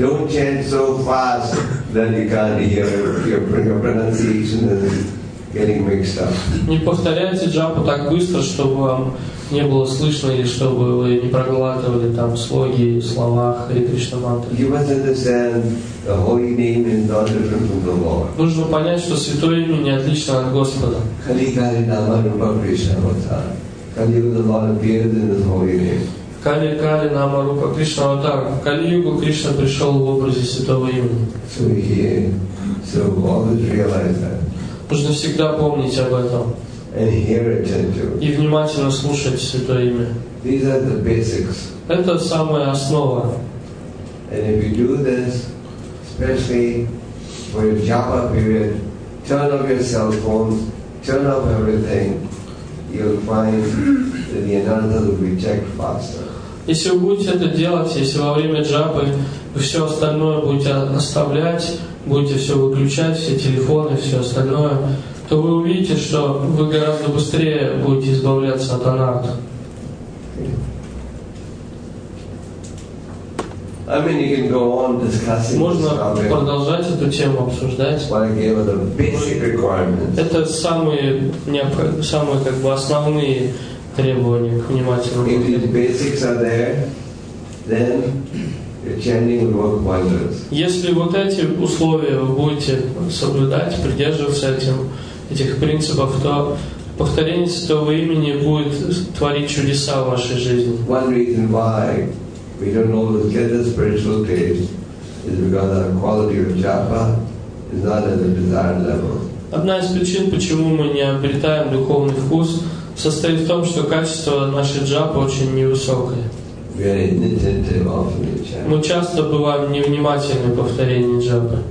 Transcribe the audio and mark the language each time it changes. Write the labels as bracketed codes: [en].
[en] Don't chant so fast that you can't hear your pronunciation is getting mixed up. [ru] Не повторяйте джапу так быстро, чтобы вам не было слышно или чтобы вы не проглатывали там слоги, слова Харе Кришна мантры. [en] You must understand the holy name is not different from the Lord. [ru] Нужно понять, что святое имя не отлично от Господа. [sa] Хари Кали Нама Рупа Кришна Аватар. [en] Кали Юга Лорд appeared in His holy name. [sa] Кали Кали Нама Рупа Кришна Аватар. [ru] Кали Юга Кришна пришел в образе святого имени. [en] So here, so always realize that. [ru] Нужно всегда помнить об этом. [en] And hear it too. [ru] И внимательно слушать святое имя. [en] These are the basics. [ru] Это самая основа. [en] And if you do this, especially for your japa period, turn off your cell phones, turn off everything, you'll find that the anandas will be checked faster. [ru] Если вы будете это делать, если во время джапы вы все остальное будете оставлять, будете все выключать, все телефоны, все остальное, то вы увидите, что вы гораздо быстрее будете избавляться от анард. [en] I mean, you can go on discussing. [ru] Можно продолжать эту тему обсуждать. [en] But I gave the basic requirements. [ru] Это самые как бы основные требования к внимательному. [en] If the basics are there, then your chanting will work wonders. [ru] Если вот эти условия вы будете соблюдать, придерживаться этих принципов, то повторение святого имени будет творить чудеса в вашей жизни. [en] One reason why we don't always get the spiritual taste is because our quality of japa is not at the desired level. [ru] Одна из причин, почему мы не обретаем духовный вкус, состоит в том, что качество нашей джапы очень невысокое. [en] We are inattentive often in chanting. [ru] Мы часто бываем невнимательны в повторении джапы.